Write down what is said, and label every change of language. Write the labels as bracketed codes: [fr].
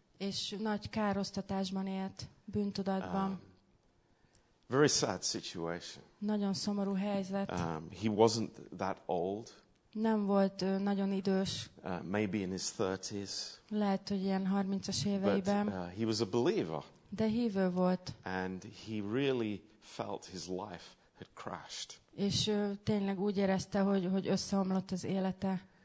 [hu] És nagy károsztatásban élt, bűntudatban. [en] Very sad situation. [hu] Nagyon szomorú helyzet. [en] He wasn't that old. [hu] Nem volt nagyon idős. [en] Maybe in his 30s. [hu] Lehet, hogy ilyen 30-as éveiben. [en] But he was a believer. [hu] De hívő volt. [en] And he really felt his life had crashed. [hu] És tényleg úgy érezte, hogy összeomlott az élete.